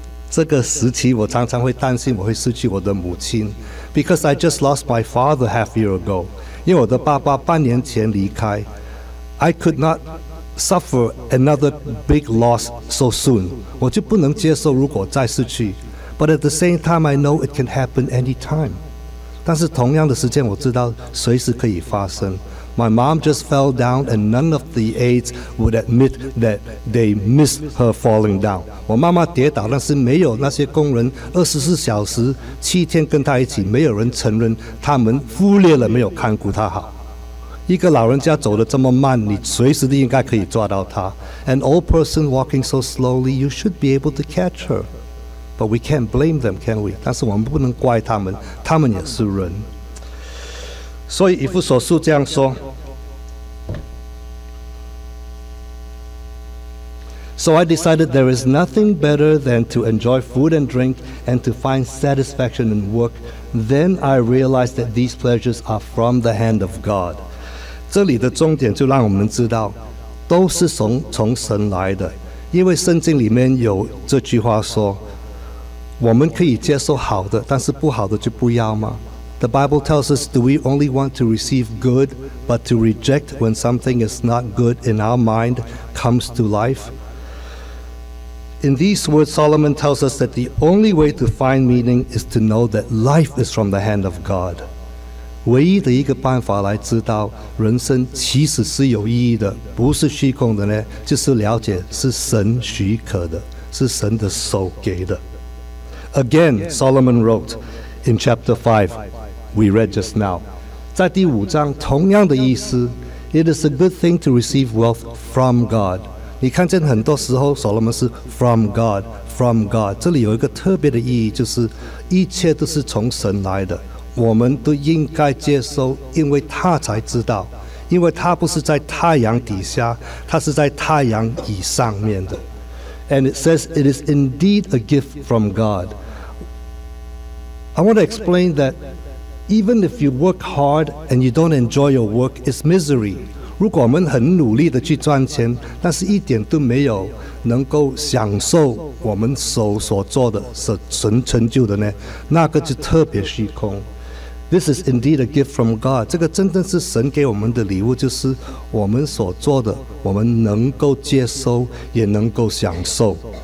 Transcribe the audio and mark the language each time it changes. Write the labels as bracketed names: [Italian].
[Chinese] 这个时期，我常常会担心我会失去我的母亲 [English] because I just lost my father half year ago. [Chinese] 因为我的爸爸半年前离开 [English] I could not suffer another big loss so soon. [Chinese] 我就不能接受如果再失去 [English] But at the same time, I know it can happen anytime. [Chinese] 但是同样的时间，我知道随时可以发生。 [English] My mom just fell down and none of the aides would admit that they missed her falling down. [Chinese] 我妈妈跌倒但是没有那些工人24小时七天跟她一起没有人承认他们忽略了没有看顾她好。一个老人家走得这么慢你随时都应该可以抓到她。 [English] An old person walking so slowly, you should be able to catch her. But we can't blame them, can we? [Chinese] 但是我们不能怪他们他们也是人。所以以弗所书这样说 [English] So I decided there is nothing better than to enjoy food and drink and to find satisfaction in work. Then I realized that these pleasures are from the hand of God. [Chinese] 这里的重点就让我们知道，都是从神来的。因为圣经里面有这句话说，我们可以接受好的，但是不好的就不要吗？ [English] The Bible tells us, do we only want to receive good, but to reject when something is not good in our mind comes to life? In these words, Solomon tells us that the only way to find meaning is to know that life is from the hand of God. [Chinese] 唯一的一个办法来知道人生其实是有意义的，不是虚空的呢，就是了解是神许可的，是神的手给的。 [English] Again, Solomon wrote in chapter 5, we read just now. [Chinese] 在第五章同样的意思， [English] It is a good thing to receive wealth from God. [Chinese] 你看见很多时候 Solomon 是 [English] from God [Chinese] 这里有一个特别的意义，就是一切都是从神来的，我们都应该接受，因为他才知道，因为他不是在太阳底下，他是在太阳以上面的。 [English] And it says it is indeed a gift from God. I want to explain that even if you work hard and you don't enjoy your work, it's misery. [Chinese] 如果我们很努力地去赚钱，但是一点都没有能够享受我们手所做的、成就的呢，那个就特别虚空。 [English] This is indeed a gift from God. [Chinese] 这个真正是神给我们的礼物，就是我们所做的，我们能够接收，也能够享受。